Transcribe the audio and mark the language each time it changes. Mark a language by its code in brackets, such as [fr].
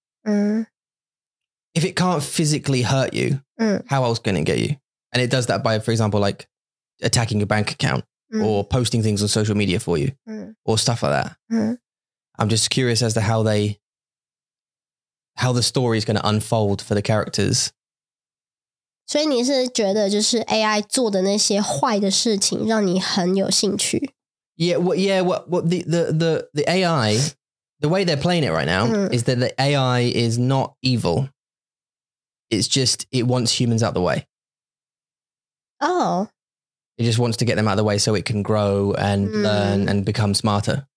[en] If it can't physically hurt you, how else can it get you? And it does that by, for example, like attacking your bank account or posting things on social media for you or stuff like that. I'm just curious as to how the story is going to unfold for the characters. [zh] 所以你是觉得就是 AI 做的那些坏的事情让你很有兴趣? [en] Yeah, well, yeah. Well, the AI, the way they're playing it right now is that the AI is not evil. It's just it wants humans out of the way. Oh. It just wants to get them out of the way so it can grow and learn and become smarter.